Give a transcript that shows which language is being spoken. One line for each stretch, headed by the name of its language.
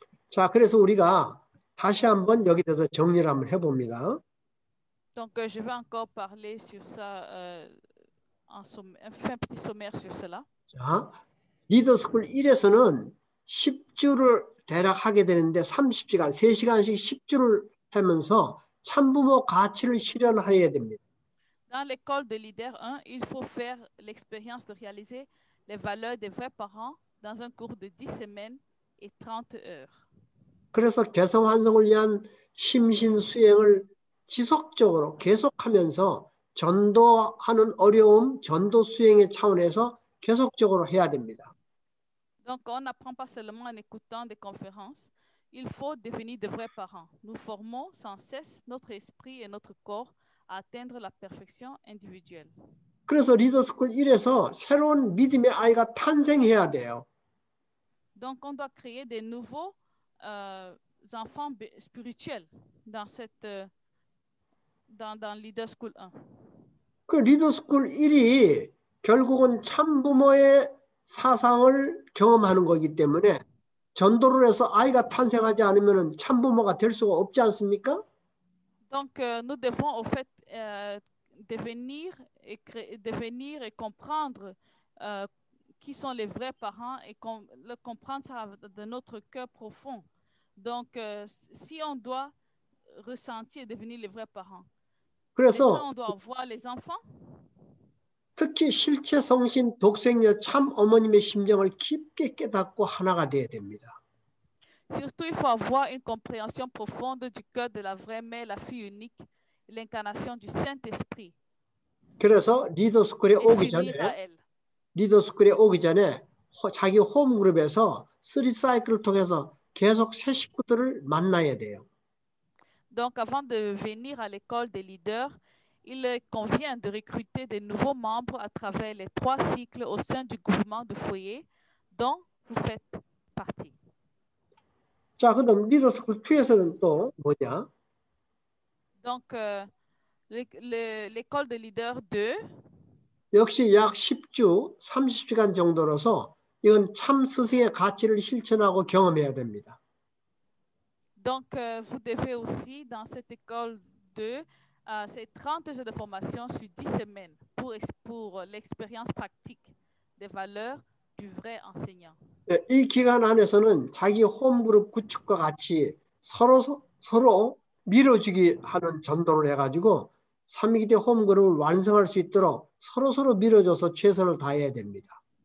Korean: 자, 그래서 우리가 다시 한번 여기서 정리를 한번 해봅니다.
French: Donc je vais encore parler sur ça, un petit sommaire sur cela.
Korean: 자, 리더스쿨 1에서는 10주를 대략 하게 되는데 30시간, 3시간씩 10주를 하면서 참부모 가치를 실현해야 됩니다.
French: Dans l'école de leader 1, il faut faire l'expérience de réaliser les valeurs des vrais parents dans un cours de 10 semaines et 30 heures.
Korean: 그래서 개성 환성을 위한 심신 수행을 지속적으로 계속하면서 전도하는 어려움, 전도 수행의 차원에서 계속적으로 해야 됩니다.
French: Donc on n'apprend pas seulement en écoutant des conférences. Il faut devenir de vrais parents. Nous formons sans cesse notre esprit et notre corps à atteindre la perfection individuelle.
Korean: 그래서 리더스쿨 1에서 새로운 믿음의 아이가 탄생해야 돼요.
French: Donc on doit créer des nouveaux enfants spirituels dans cette dans leaderschool 1.
Korean: 그 리더스쿨 1이 결국은 참부모의 사상을 경험하는 거기 때문에 전도를 해서 아이가 탄생하지 않으면은 참부모가 될 수가 없지 않습니까?
French: Donc nous devons au fait devenir et devenir et comprendre qui sont les vrais parents et le comprendre de notre cœur profond. Donc si on doit ressentir et devenir les vrais parents.
Korean: 그래서
French: on doit voir les enfants.
Korean: 특히 실체 성신 독생녀 참 어머님의 심정을 깊게 깨닫고 하나가 돼야 됩니다.
French: Surtout il faut avoir une compréhension profonde du cœur de la vraie mère, la fille unique, l'incarnation du Saint-Esprit.
Korean: 그래서 리더스쿨에 오기 전에 리더스쿨에 오기 전에 자기 홈 그룹에서 3 사이클을 통해서 계속 새 식구들을 만나야 돼요.
French: Donc avant de venir à l'école des leaders, il convient de recruter des nouveaux membres à travers les trois cycles au sein du groupement de foyer dont vous faites partie.
Korean: 자, 그럼 리더스쿨 2에서는 또 뭐냐?
French: Donc l'école de leader 2
Korean: 역시 약 10주, 30시간 정도로서 이건 참 스승의 가치를 실천하고 경험해야 됩니다.
French: Donc vous devez aussi dans cette école 2 c'est 30 heures de formation sur 10 semaines pour l'expérience pratique des valeurs du vrai enseignant.
Korean: 이 기간 안에서는 자기 홈그룹 구축과 같이 서로 밀어주기 하는 전도를 해가지고 3기대 홈그룹을 완성할 수 있도록 서로 밀어줘서 최선을 다해야 됩니다.